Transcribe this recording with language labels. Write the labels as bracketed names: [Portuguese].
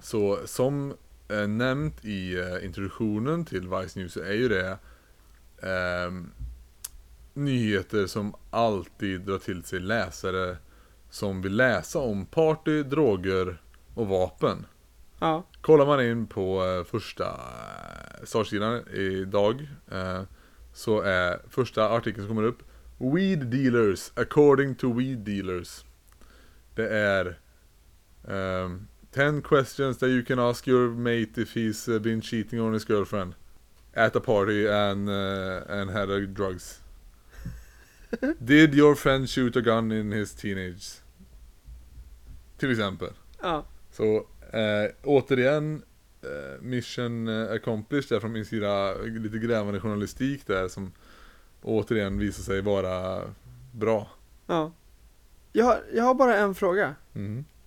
[Swedish] Så som nämnt i introduktionen till Vice News, så är ju det nyheter som alltid drar till sig läsare som vill läsa om party, droger och vapen. Ja. Kollar man in på första startsidan idag, så är första artikeln som kommer upp: Weed dealers according to weed dealers. [English] Det är 10 questions that you can ask your mate if he's been cheating on his girlfriend at a party and had a drugs. Did your friend shoot a gun in his teenage? [Swedish] Till exempel. Ja. Så återigen, mission accomplished där från min sida, lite grävande journalistik där som återigen visar sig vara bra. Ja. Jag har bara en fråga. Mm.